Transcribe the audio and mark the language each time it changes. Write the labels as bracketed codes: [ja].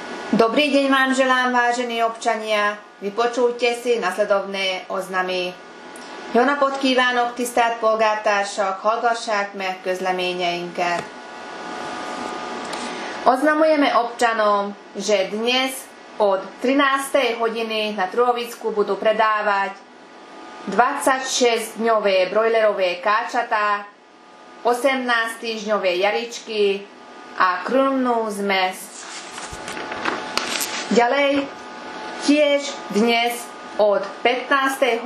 [sk] Dobrý deň vám želám, vážení občania. Vypočujte si nasledovné oznamy. [hu] Jó napot kívánok, tisztelt polgártársak, hallgassák meg közleményeinket. [sk] Oznamujeme občanom, že dnes od 13. hodiny na Truhovicku budú predávať 26-dňové brojlerové káčatá, 18-týždňové jaričky a krmnú zmes. Ďalej, tiež dnes od 15.